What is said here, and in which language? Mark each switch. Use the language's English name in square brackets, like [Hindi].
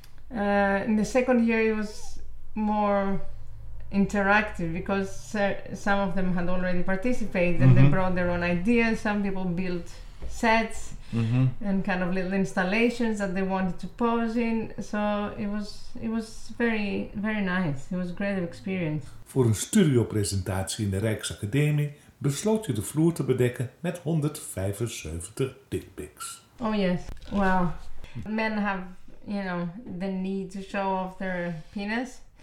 [English] In the second year, it was more interactive, because some of them had already participated, and they brought their own ideas. Some people built sets and kind of little installations that they wanted to pose in. So it was very, very nice. It was a great experience. [Dutch] Voor een studiopresentatie in de Rijksacademie besloot je de vloer te bedekken met 175 dickpics. [English] Oh yes. Well, men have, you know, the need to show off their penis.